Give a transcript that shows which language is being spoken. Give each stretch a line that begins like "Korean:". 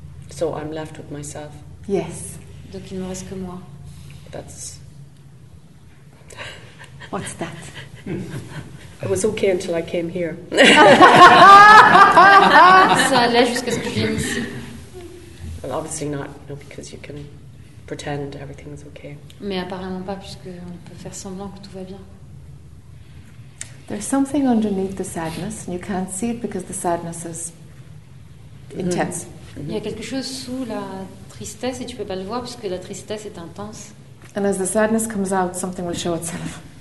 English: So I'm left with myself. Yes.
French: Donc il ne me reste que moi.
English: That's. What's that? I was okay until I came here.
French: Ça allait jusqu'à ce que je vienne ici.
English: Well, obviously not, you know, because you can pretend everything is okay.
French: Mais apparemment pas, puisque on peut faire semblant que tout va bien.
English: There's something underneath the sadness, and you can't see it because the sadness is intense.
French: Il y a quelque chose sous la tristesse et tu peux pas le voir parce que la tristesse est intense.
English: And as the sadness comes out, something will show itself.